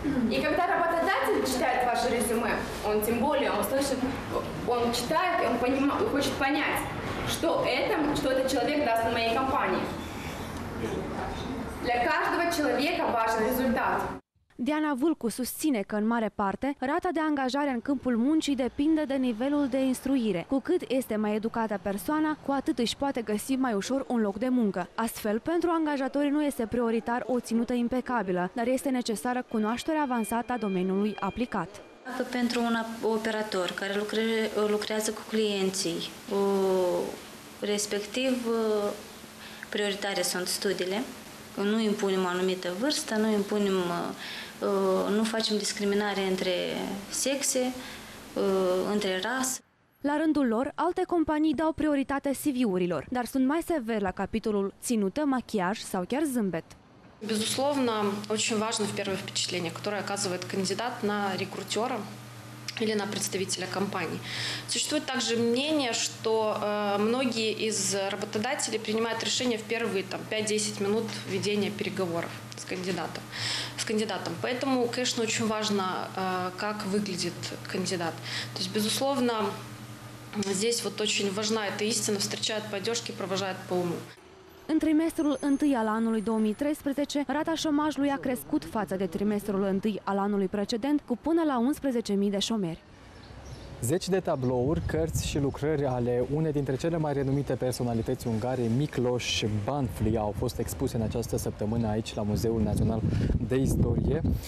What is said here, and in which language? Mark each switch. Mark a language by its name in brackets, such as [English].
[Russian] И когда работодатель читает ваше резюме, он тем более, он слышит, он читает, он понимает, он хочет понять, что этот человек даст в моей компании. Для каждого человека важен результат. [Romanian] Diana Vulcu susține că, în mare parte, rata de angajare în câmpul muncii depinde de nivelul de instruire. Cu cât este mai educată persoana, cu atât își poate găsi mai ușor un loc de muncă. Astfel, pentru angajatori nu este prioritar o ținută impecabilă, dar este necesară cunoașterea avansată a domeniului aplicat. Pentru un operator care lucrează cu clienții, respectiv prioritare sunt studiile, nu impunem o anumită vârstă, nu facem discriminare între sexe, între rase. La rândul lor, alte companii dau prioritate CV-urilor, dar sunt mai severi la capitolul ținută, machiaj sau chiar zâmbet. [Russian] Безусловно, очень важно в первое впечатление, которое оказывает кандидат на рекрутера или на представителя компании. Существует также мнение, что многие из работодателей принимают решение в первые 5-10 минут ведения переговоров с кандидатом. Поэтому, конечно, очень важно, как выглядит кандидат. То есть, безусловно, здесь вот очень важна эта истина, встречает по одежке, провожает по уму. [Romanian] În trimestrul întâi al anului 2013, rata șomajului a crescut față de trimestrul întâi al anului precedent cu până la 11.000 de șomeri. Zeci de tablouri, cărți și lucrări ale unei dintre cele mai renumite personalități ungare, Miklós Banfli, au fost expuse în această săptămână aici, la Muzeul Național de Istorie.